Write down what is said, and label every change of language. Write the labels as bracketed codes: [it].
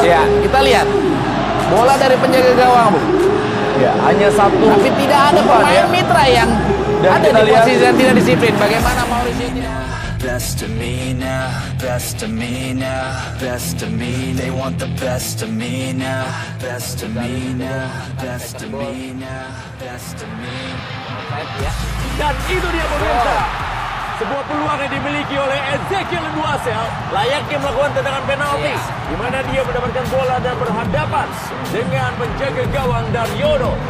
[id] Ya, kita lihat bola dari penjaga gawang. Ya, hanya satu. Tapi tidak ada pemain mitra yang dan ada di posisi yang tidak disiplin. Bagaimana Mauricio? [en] Best of me now, best of me now, best of me. They want the best of me now, best of me now, best of me now, best of me. [id] Dan itu dia pemirsa. Sebuah peluang yang dimiliki oleh Ezequiel Nwaneel layaknya melakukan tendangan penalti, di mana dia mendapatkan bola dan berhadapan dengan penjaga gawang Daryono.